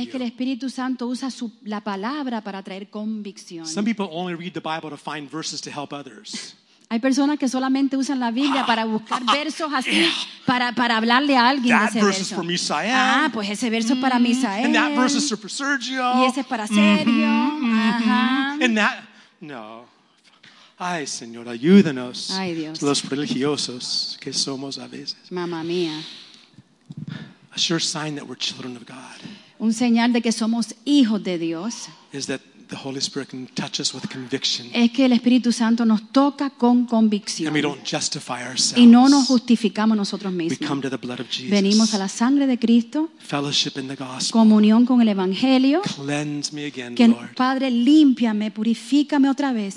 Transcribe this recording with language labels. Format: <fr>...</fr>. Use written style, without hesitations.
<es>Es que el Espíritu Santo usa la palabra para traer convicción.</es> <en>Some people only read the Bible to find verses to help others.</en> <es>Hay personas que solamente usan la Biblia para buscar versos así para hablarle a alguien.</es> <en>That</en> <es>ese</es> <en>verse</en> <es>verso.</es> <en>Is for Misael.</en> <es>Ah, pues ese verso es para Misael.</es> <en>And that verse is for Sergio.</en> <es>Y ese es para Sergio.</es> <en>And that no.</en> <es>Ay, Señor, ayúdanos. Ay, Dios. Los religiosos que somos a veces. Mamá mía.</es> <en>A sure sign that we're children of God.</en> <es>Un señal de que somos hijos de Dios.</es> <en>Is that the Holy Spirit can touch us with conviction.</en> <es>Es que el Espíritu Santo nos toca con convicción.</es> <en>And we don't justify ourselves.</en> <es>Y no nos justificamos nosotros mismos.</es> <en>We come to the blood of Jesus.</en> <es>Venimos a la sangre de Cristo.</es> <en>Fellowship in the gospel.</en> <es>Comunión con el evangelio.</es> <en>Cleanse me again,</en> <es>que,</es> <en>Lord.</en> <es>Padre, límpiame, purifícame otra vez,</es>